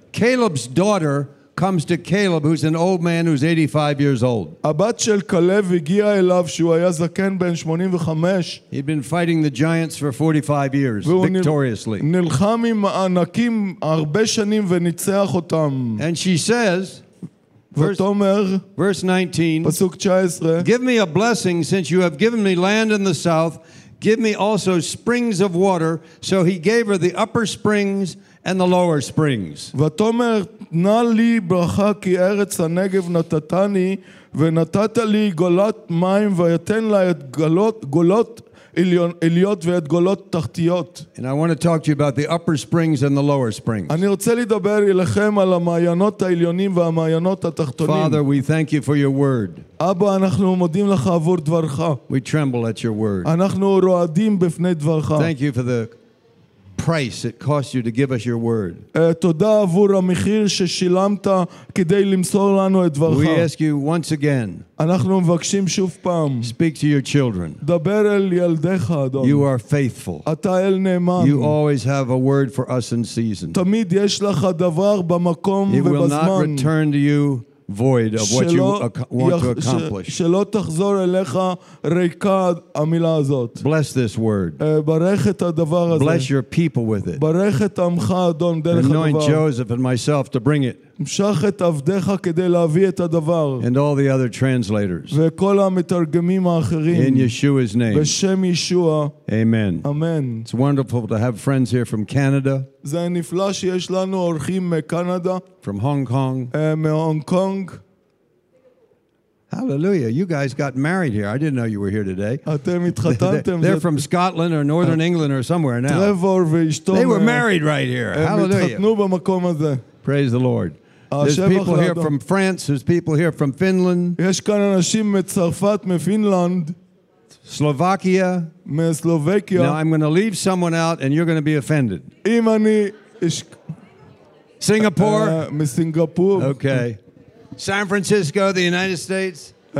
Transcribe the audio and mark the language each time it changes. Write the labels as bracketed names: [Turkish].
[English] Caleb's daughter comes to Caleb, who's an old man who's 85 years old. [Hebrew] הבת של קלב הגיעה אליו שהוא היה זקן בן 85. [English] He'd been fighting the giants for 45 years, victoriously. [Hebrew] נלחם עם הענקים הרבה שנים וניצח אותם. [English] And she says, Verse 19, give me a blessing since you have given me land in the south. Give me also springs of water. So he gave her the upper springs and the lower springs. [Hebrew] ותאמר, נא לי ברכה כי ארץ הנגב נתתני, ונתת לי גולות מים, ויתן לה את גולות עליות ואת גולות תחתיות. [English] And I want to talk to you about the upper springs and the lower springs. [Hebrew] אני רוצה לדבר אליכם על המעיינות העליונים והמעיינות התחתונים. [English] Father, we thank you for your word. [Hebrew] אבא, אנחנו מודים לך עבור דברך. [English] We tremble at your word. [Hebrew] אנחנו רועדים בפני דברך. [English] Thank you for the price it cost you to give us your word. [Hebrew] תודה עבור המחיר ששילמת כדי למסור לנו את דברך. [English] We ask you once again. [Hebrew] אנחנו מבקשים שוב פעם. [English] Speak to your children. [Hebrew] דבר אל ילדיך, אדון. [English] You are faithful. [Hebrew] אתה אל נאמן. [English] You always have a word for us in season. [Hebrew] תמיד יש לך דבר במקום ובזמן. [English] It will not return to you void of what you want to accomplish. [Hebrew] שלא תחזור אליך ריקה המילה הזאת. [English] Bless this word. [Hebrew] ברך את הדבר הזה. [English] Bless your people with it. [Hebrew] ברך את עמך, אדון, דרך הדבר. [English] Anoint Joseph and myself to bring it. [Hebrew] משח את עבדך כדי להביא את הדבר. [English] And all the other translators. [Hebrew] וכל המתרגמים האחרים. [English] In Yeshua's name. [Hebrew] בשם ישוע. [English] Amen. [Hebrew] Amen. [English] It's wonderful to have friends here from Canada. [Hebrew] זה נפלא שיש לנו אורחים מקנדה. [English] From Hong Kong. [Hebrew] מהונג קונג. [English] Hallelujah. You guys got married here. I didn't know you were here today. [Hebrew] אתם התחתנתם. [English] They're from Scotland or Northern England or somewhere now. [Hebrew] טרבור ואשתו. [English] They were married right here. Hallelujah. [Hebrew] הם התחתנו במקום הזה. [English] Praise the Lord. There's people here from France. There's people here from Finland. [Hebrew] יש כאן אנשים מצרפת, מפינלנד. [English] Slovakia. [Hebrew] מסלובקיה. [English] Now I'm going to leave someone out and you're going to be offended. [Hebrew] אם אני... [English] Singapore. [Hebrew] מסינגפור. [English] Okay. San Francisco, the United States.